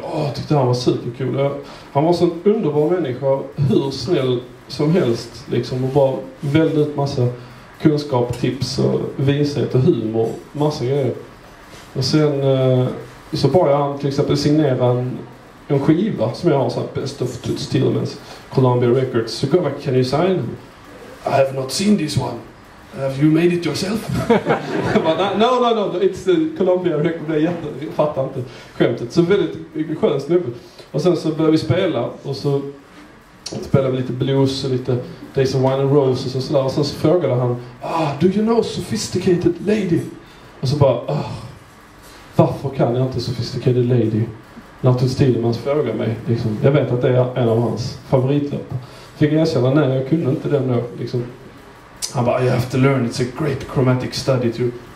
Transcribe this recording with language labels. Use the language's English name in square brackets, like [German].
[Swedish] Åh, tyckte han var superkul. Han var så en underbar människa, hur snäll som helst liksom, och bara väldigt massa kunskap, tips och vishet och humor, massa grejer. Och sen så bad jag han till exempel signera en skiva som jag har, så här, Best of Toots Thielemans, Columbia Records. Så gav jag, [English] can you sign? I have not seen this one. Have you made it yourself? no, it's Columbia Records. [Swedish] Jag fattar inte skämtet. Så väldigt skönt nu. Och sen så började vi spela. Och så spelade vi lite blues och lite Days of Wine and Roses och sådär. Och sen så frågade han, ah, [English] do you know Sophisticated Lady? [Swedish] Och så bara, ah, varför kan jag inte Sophisticated Lady? När Toots Thielemans frågade mig. Liksom. Jag vet att det är en av hans favoritlåtar. Fick jag erkänna, nej, jag kunde inte den då. Liksom. Han bara, [English] you have to learn, it's a great chromatic study too.